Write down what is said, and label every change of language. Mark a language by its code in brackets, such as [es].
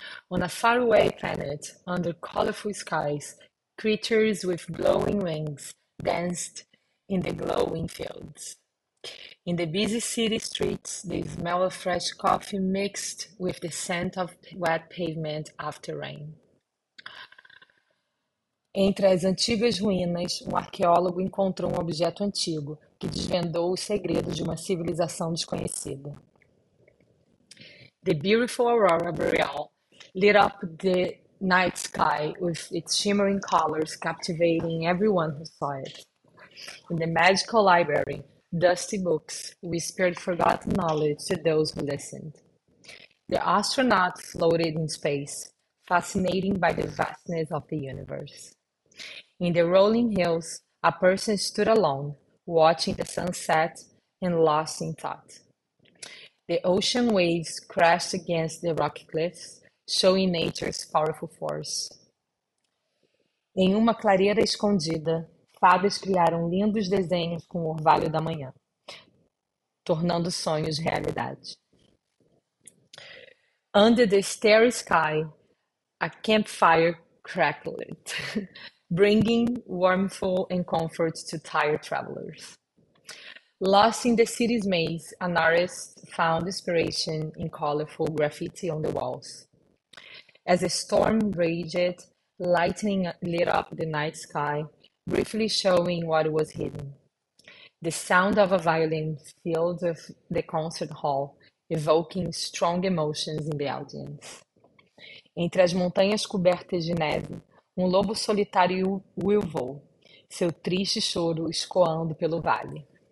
[en] On a faraway planet, under colorful skies, creatures with glowing wings danced in the glowing fields. In the busy city streets, the smell of fresh coffee mixed with the scent of wet pavement after rain. [pt] Entre as antigas ruínas, um arqueólogo encontrou um objeto antigo que desvendou os segredos de uma civilização desconhecida. [en] The beautiful Aurora Boreal lit up the night sky with its shimmering colors, captivating everyone who saw it. In the magical library, dusty books whispered forgotten knowledge to those who listened. The astronaut floated in space, fascinated by the vastness of the universe. In the rolling hills, a person stood alone, watching the sunset and lost in thought. The ocean waves crashed against the rocky cliffs, showing nature's powerful force. [pt] Em uma clareira escondida, fadas criaram lindos desenhos com o orvalho da manhã, tornando sonhos realidade. [en] Under the starry sky, a campfire crackled, bringing warmth and comfort to tired travelers. Lost in the city's maze, an artist found inspiration in colorful graffiti on the walls. As a storm raged, lightning lit up the night sky, briefly showing what was hidden. The sound of a violin filled the concert hall, evoking strong emotions in the audience. [pt] Entre as montanhas cobertas de neve, um lobo solitário uivou, seu triste choro escoando pelo vale.